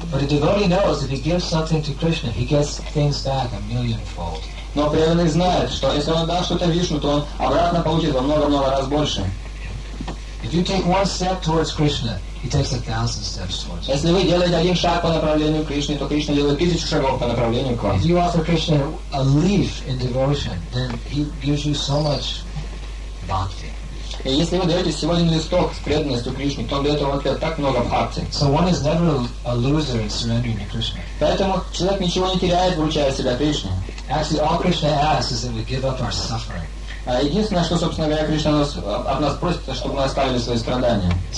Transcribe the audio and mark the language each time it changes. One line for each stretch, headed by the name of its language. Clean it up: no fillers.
Russian: Но преданный знает, что если он даст что-то Вишне, то он обратно получит во много-много раз больше.
English: If you take one step towards Krishna, he takes 1,000 steps towards
Russian: you. Если вы делаете один шаг по направлению к Кришне, то Кришна делает 1,000 шагов по направлению к вам.
English: If you offer Krishna a leaf in devotion, then he gives you so much bhakti.
Russian: И если вы даете всего один листок с преданностью Кришне, то он дает вам ответ так много бхакти.
English: So one is never a loser in surrendering to Krishna.
Russian: Поэтому человек ничего не теряет, вручая себя Кришне.
English: Actually, all Krishna asks is that we give up our suffering.
Russian: Единственное, что, собственно говоря, Кришна от нас просит, чтобы мы оставили свои страдания.